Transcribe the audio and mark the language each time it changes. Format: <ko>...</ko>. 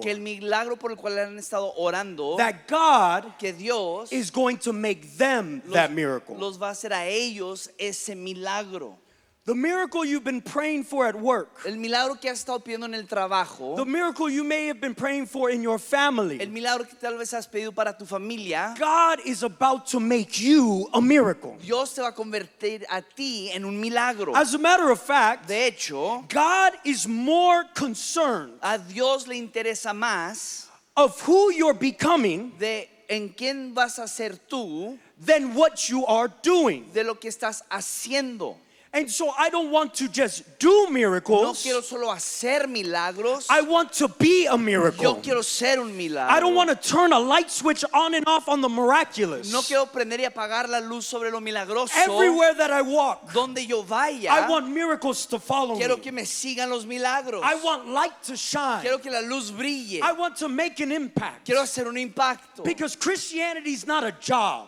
<es>que el milagro por el cual han estado orando,</es> <en>that God,</en> <es>que Dios,</es> <en>is going to make them that miracle.</en> <es>Los va a hacer a ellos ese milagro.</es> <en>The miracle you've been praying for at work.</en> <es>El milagro que has estado pidiendo en el trabajo.</es> <en>The miracle you may have been praying for in your family.</en> <es>El milagro que tal vez has pedido para tu familia.</es> <en>God is about to make you a miracle.</en> <es>Dios te va a convertir a ti en un milagro.</es> <en>As a matter of fact,</en> <es>de hecho,</es> <en>God is more concerned.</en> <es>A Dios le interesa más</es> <en>of who you're becoming.</en> <es>De en quién vas a ser tú.</es> <en>Than what you are doing.</en> <es>De lo que estás haciendo.</es> <en>And so I don't want to just do miracles.</en> <es>No quiero solo hacer milagros.</es> <en>I want to be a miracle.</en> <es>Yo quiero ser un milagro.</es> <en>I don't want to turn a light switch on and off on the miraculous.</en> <es>No quiero prender y apagar la luz sobre lo milagroso.</es> <en>Everywhere that I walk,</en> <es>donde yo vaya,</es> <en>I want miracles to follow</en> <es>quiero</es> <en>me.</en> <es>Quiero que me sigan los milagros.</es> <en>I want light to shine.</en> <es>Quiero que la luz brille.</es> <en>I want to make an impact.</en> <es>Quiero hacer un impacto.</es> <en>Because Christianity is not a job.</en>